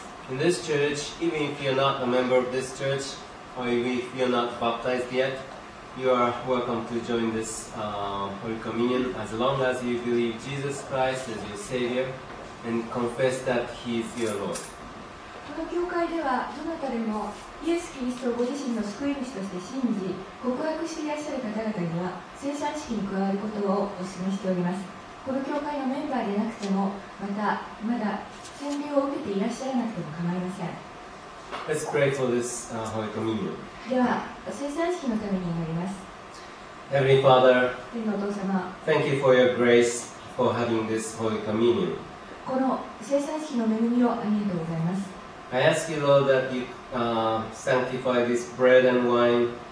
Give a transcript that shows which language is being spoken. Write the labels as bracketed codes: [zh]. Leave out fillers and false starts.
[en] In this church, even if you're not a member of this church, or even if you're not baptized yet, you are welcome to join this Holy Communion as long as you believe Jesus Christ as your Savior and confess that He is your Lord. [ja] この教会ではどなたでもイエス・キリストをご自身の救い主として信じ告白していらっしゃる方々には聖餐式に加わることをお勧めしております。この教会のメンバーでなくてもまたまだ洗礼を受けていらっしゃらなくても構いません。 [en] Let's pray for this Holy Communion. [ja] では聖餐式のために祈ります。 [en] Heavenly Father, [ja] 天のお父様、 [en] Thank you for your grace for having this Holy Communion. [ja] この聖餐式の恵みをありがとうございます。 [en] I ask you, Lord, that you sanctify this bread and wine.